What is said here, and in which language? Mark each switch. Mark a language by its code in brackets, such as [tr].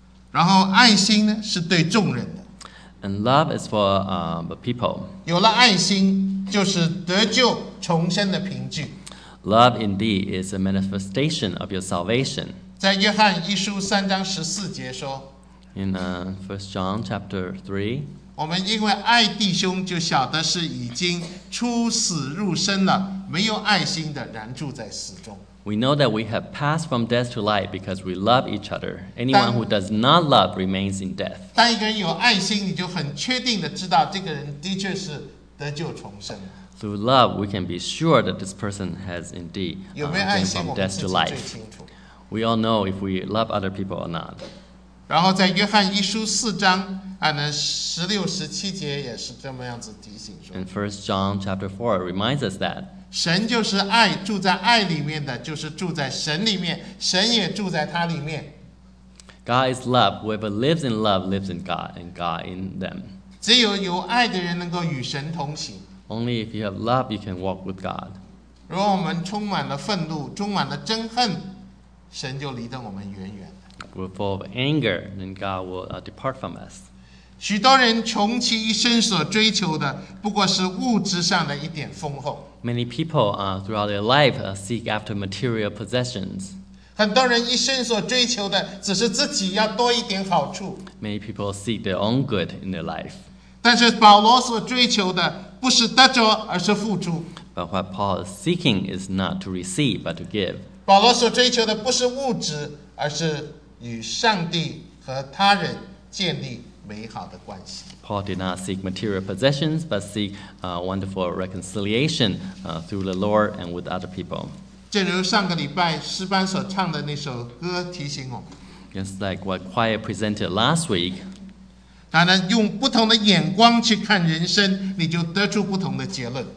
[zh] 然后爱心呢是对众人的。 [en] And love is for the people. [zh] 有了爱心，就是得救重生的凭据。 [en] Love indeed is a manifestation of your salvation. [zh] 在约翰一书三章十四节说。 [en] In First John chapter 3. [zh] 我们因为爱弟兄，就晓得是已经出死入生了。没有爱心的燃住在死中。 [en] We know that we have passed from death to life because we love each other. Anyone who does not love remains in death. [zh] 当一个人有爱心，你就很确定的知道这个人的确是得救重生。 [en] Through love, we can be sure that this person has indeed gone from death to life. We all know if we love other people or not. [zh] 然后在约翰一书四章。 16-17节也是这么样子提醒说。 [en] And First John chapter 4 reminds us that [zh] 神就是爱，住在爱里面的，就是住在神里面，神也住在他里面。 [en] God is love. Whoever lives in love lives in God, and God in them. [zh] 只有有爱的人能够与神同行。 [en] Only if you have love, you can walk with God. [zh] 如果我们充满了愤怒，充满了憎恨，神就离得我们远远的。 [en] We're full of anger, then God will depart from us. [zh] 许多人穷其一生所追求的不过是物质上的一点丰厚。 [en] Many people throughout their life seek after material possessions. [zh] 很多人一生所追求的只是自己要多一点好处。 [en] Many people seek their own good in their life. [zh] 但是保罗所追求的不是得着而是付出。 [en] But what Paul is seeking is not to receive but to give. [zh] 保罗所追求的不是物质而是与上帝和他人建立美好的关系。 [en] Paul did not seek material possessions, but seek wonderful reconciliation through the Lord and with other people. [zh] 正如上个礼拜诗班所唱的那首歌提醒我们。 [en] Just like what choir presented last week. [zh] 当然，用不同的眼光去看人生，你就得出不同的结论。